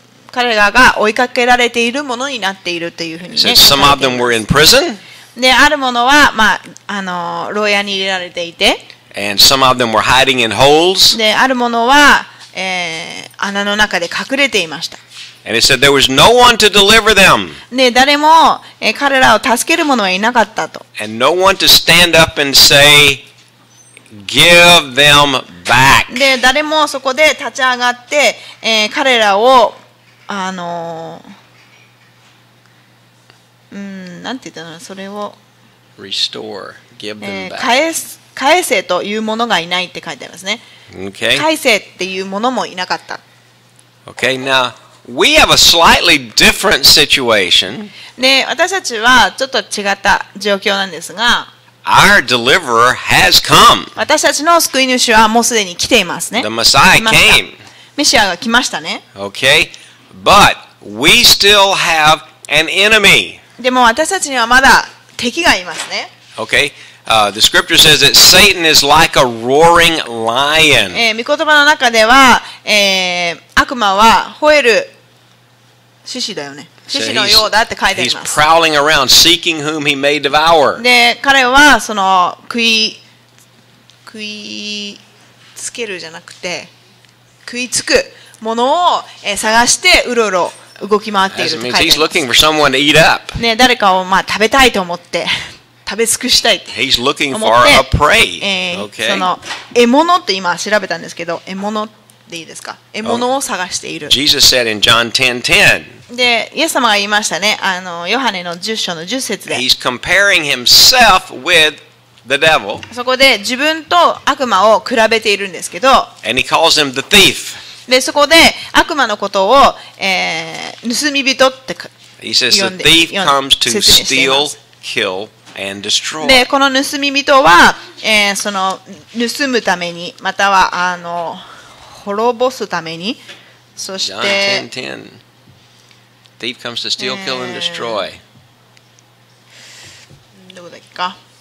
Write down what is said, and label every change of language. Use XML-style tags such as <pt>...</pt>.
<ja>彼らが追いかけられているものになっているというふうにね。</ja> <en>Since some of them were in prison.</en> <ja>で、あるものは、まあ、あの、牢屋に入れられていて。</ja> <en>And some of them were hiding in holes.</en> <ja>で、あるものは、穴の中で隠れていました。</ja> <en>And it said there was no one to deliver them.</en> <ja>で、誰も、彼らを助ける者はいなかったと。</ja> <en>And no one to stand up and say,Give them back.</en> <ja>で、誰もそこで立ち上がって、彼らを、なんて言ったの、それを、</ja> <en>Restore. Give them back.</en> <ja>返せというものがいないって書いてありますね。</ja> <en>Okay.</en> <ja>返せっていうものもいなかった。</ja> <en>Okay, now, we have a slightly different situation.</en> <ja>で、私たちはちょっと違った状況なんですが、</ja> <en>Our deliverer has come.</en> <ja>私たちの救い主はもうすでに来ていますね。</ja> <en>The Messiah came.</en> <ja>メシアが来ましたね。</ja> <en>Okay. But we still have an enemy.</en> <ja>でも私たちにはまだ敵がいますね。</ja> <en>Okay. The scripture says that Satan is like a roaring lion.</en> <ja>御言葉の中では、悪魔は吠える獅子だよね。獅子のようだって書いてあります。</ja> <en>He's prowling around, seeking whom he may devour.</en> <ja>で、彼はその食いつけるじゃなくて、食いつくものを探してうろうろ動き回っていると書いてあります。</ja> <en>He's looking for someone to eat up.</en> <ja>ね、誰かをまあ食べたいと思って。食べ尽くしたいって思って。</ja> <en>He's looking for a prey. Okay.</en> <ja>その獲物って今調べたんですけど、獲物でいいですか？獲物を探している。</ja> <en>Jesus said in John 10:10.</en> <ja>で、イエス様が言いましたね。あのヨハネの10章の10節で。</ja> <en>He's comparing himself with the devil.</en> <ja>そこで自分と悪魔を比べているんですけど。</ja> <en>And he calls him the thief.</en> <ja>で、そこで悪魔のことを、盗み人って呼んで。</ja> <en>He says the thief comes to steal, kill. And destroy.</en> <ja>で、この盗み人は、その盗むために、またはあの滅ぼすために、そして、</ja> <en>John 10:10. Thief comes to steal, kill, and destroy.</en> <ja>どこだっけか。</ja>